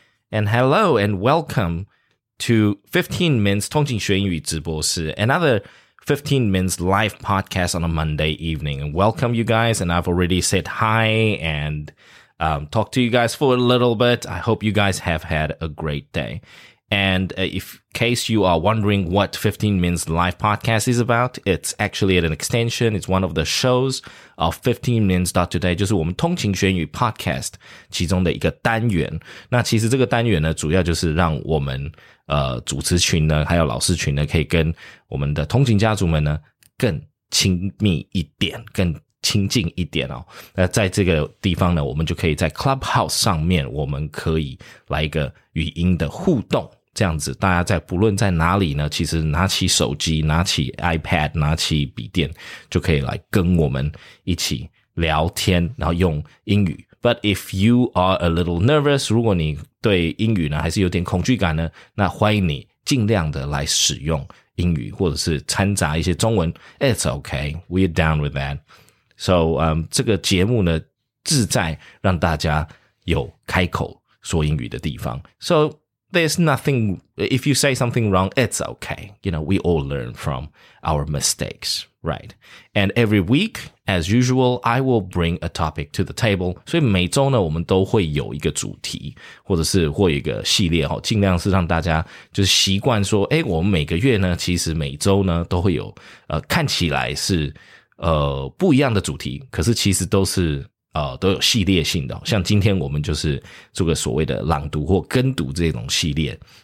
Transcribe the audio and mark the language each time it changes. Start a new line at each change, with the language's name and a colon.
English: And hello and welcome to 15 Minutes 通勤学英语直播室, another 15 Minutes live podcast on a Monday evening. And welcome you guys. And I've already said hi and talked to you guys for a little bit. I hope you guys have had a great day. And if case you are wondering what 15 Minutes Live Podcast is about, it's actually an extension. It's one of the shows of 15minutes.today,
Chinese: 就是我们通勤学英语podcast其中的一个单元。那其实这个单元呢，主要就是让我们组织群呢，还有老师群呢，可以跟我们的通勤家族们呢更亲密一点，更亲近一点哦。那在这个地方呢，我们就可以在 Clubhouse 上面，我们可以来一个语音的互动。这样子大家在不论在哪里呢，其实拿起手机，拿起 iPad, 拿起笔电就可以来跟我们一起聊天，然后用英语。
English: But if you are a little nervous,
Chinese: 如果你对英语呢还是有点恐惧感呢，那欢迎你尽量的来使用英语或者是掺杂一些中文。
English: It's okay, we're down with that.
Chinese: So, 这个节目呢志在让大家有开口说英语的地方。
English: So,There's nothing, if you say something wrong, it's okay. You know, we all learn from our mistakes, right? And every week, as usual, I will bring a topic to the table.
Chinese: 所以每周呢，我们都会有一个主题，或者是会有一个系列，尽量是让大家就是习惯说，诶，我们每个月呢，其实每周呢，都会有，看起来是，不一样的主题，可是其实都是都有系列性的，像今天我们就是做个所谓的朗读或跟读这种系列。